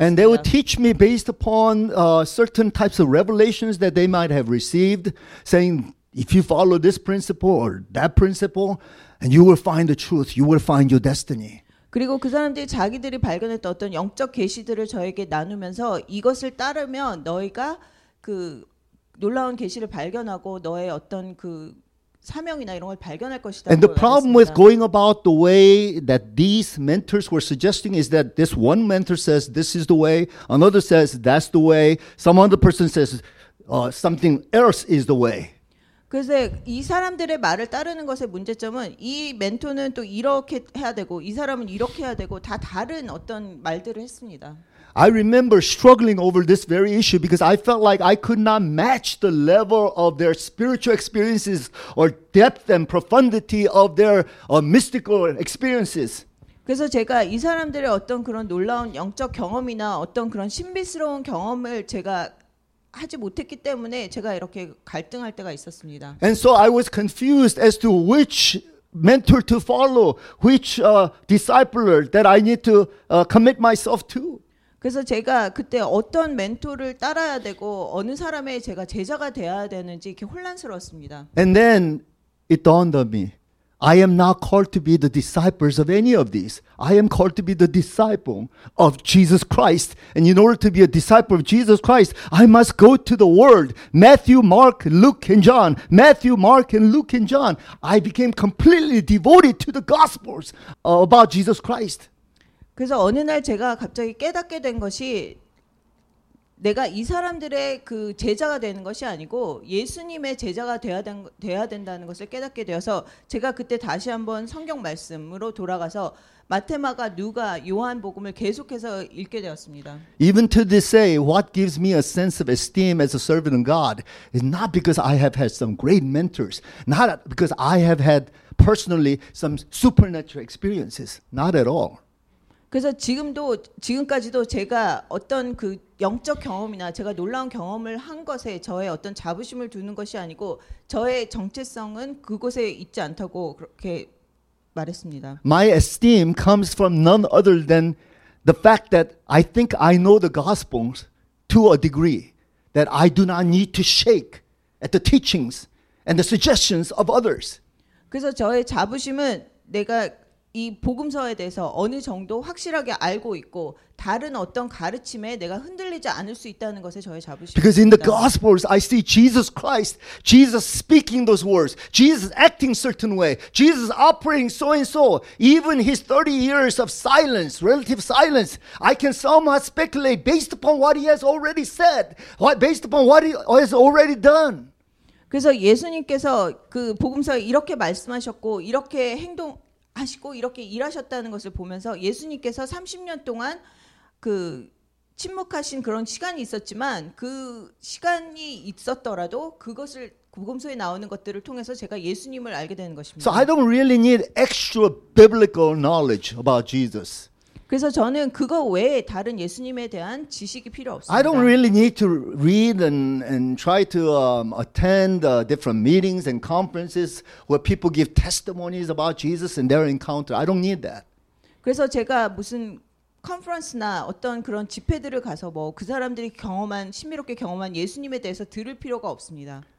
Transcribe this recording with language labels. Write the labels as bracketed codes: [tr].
[en] And they would teach me based upon certain types of revelations that they might have received, saying, if you follow this principle or that principle, and you will find the truth, you will find your destiny. [ko] 그리고 그 사람들이 자기들이 발견했던 어떤 영적 계시들을 저에게 나누면서 이것을 따르면 너희가 그 놀라운 계시를 발견하고 너의 어떤 그 사명이나 이런 걸 발견할 것이다. [en] And the problem with going about the way that these mentors were suggesting is that this one mentor says this is the way, another says that's the way, some other person says something else is the way. [ko] 그래서 이 사람들의 말을 따르는 것의 문제점은 이 멘토는 또 이렇게 해야 되고 이 사람은 이렇게 해야 되고 다 다른 어떤 말들을 했습니다. [en] I remember struggling over this very issue because I felt like I could not match the level of their spiritual experiences or depth and profundity of their mystical experiences. [ko] 그래서 제가 이 사람들의 어떤 그런 놀라운 영적 경험이나 어떤 그런 신비스러운 경험을 제가 하지 못했기 때문에 제가 이렇게 갈등할 때가 있었습니다. [en] And so I was confused as to which mentor to follow, which discipler that I need to commit myself to. [ko] 그래서 제가 그때 어떤 멘토를 따라야 되고 어느 사람의 제가 제자가 되어야 되는지 이렇게 혼란스러웠습니다. [en] And then it dawned on me. I am not called to be the disciples of any of these. I am called to be the disciple of Jesus Christ. And in order to be a disciple of Jesus Christ, I must go to the world. Matthew, Mark, Luke, and John. Matthew, Mark, and Luke, and John. I became completely devoted to the Gospels about Jesus Christ. [ko] 그래서 어느 날 제가 갑자기 깨닫게 된 것이 내가 이 사람들의 그 제자가 되는 것이 아니고 예수님의 제자가 되어야 된다는 것을 깨닫게 되어서 제가 그때 다시 한번 성경 말씀으로 돌아가서 마태마가 누가 요한 복음을 계속해서 읽게 되었습니다. [en] Even to this day, what gives me a sense of esteem as a servant of God is not because I have had some great mentors, not because I have had personally some supernatural experiences, not at all. [ko] 그래서 지금도 지금까지도 제가 어떤 그 영적 경험이나 제가 놀라운 경험을 한 것에 저의 어떤 자부심을 두는 것이 아니고 저의 정체성은 그곳에 있지 않다고 그렇게 말했습니다. [en] My esteem comes from none other than the fact that I think I know the gospels to a degree that I do not need to shake at the teachings and the suggestions of others. [ko] 그래서 저의 자부심은 내가 이 복음서에 대해서 어느 정도 확실하게 알고 있고 다른 어떤 가르침에 내가 흔들리지 않을 수 있다는 것에 저의 자부심입니다. [en] Because in the Gospels, I see Jesus Christ, Jesus speaking those words, Jesus acting certain way, Jesus operating so and so. Even his 30 years of silence, relative silence, I can somewhat speculate based upon what he has already said, based upon what he has already done. [ko] 그래서 예수님께서 그 복음서에 이렇게 말씀하셨고 이렇게 행동 하시고 이렇게 일하셨다는 것을 보면서 예수님께서 30년 동안 그 침묵하신 그런 시간이 있었지만 그 시간이 있었더라도 그것을 복음서에 나오는 것들을 통해서 제가 예수님을 알게 되는 것입니다. [en] So I don't really need extra biblical knowledge about Jesus. [ko] 그래서 저는 그거 외에 다른 예수님에 대한 지식이 필요 없습니다. [en] I don't really need to read and try to attend different meetings and conferences where people give testimonies about Jesus and their encounter. I don't need that. [ko] 그래서 제가 무슨 컨퍼런스나 어떤 그런 집회들을 가서 뭐 그 사람들이 경험한 신비롭게 경험한 예수님에 대해서 들을 필요가 없습니다.